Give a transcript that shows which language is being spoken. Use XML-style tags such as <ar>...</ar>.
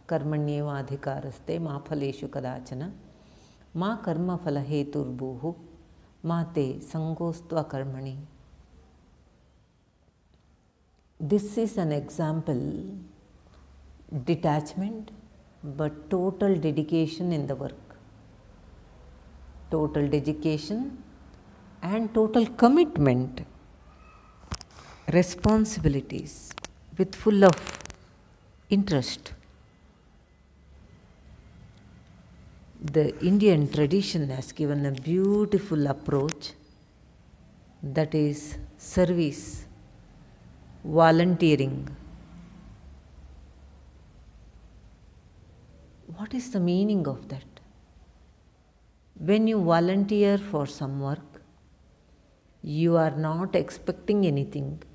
<sa>Karmanyeva adhikaraste ma phaleshu kadachana ma karma phala heturbhuhu ಮಾತೆ ಸಂಗೋಸ್ತ್ವ ಕರ್ಮಣಿ.</sa> <en>This is an example detachment but total dedication in the work. Total dedication and total commitment responsibilities with full of interest. The Indian tradition has given a beautiful approach, that is service, volunteering. What is the meaning of that? When you volunteer for some work, you are not expecting anything.</en>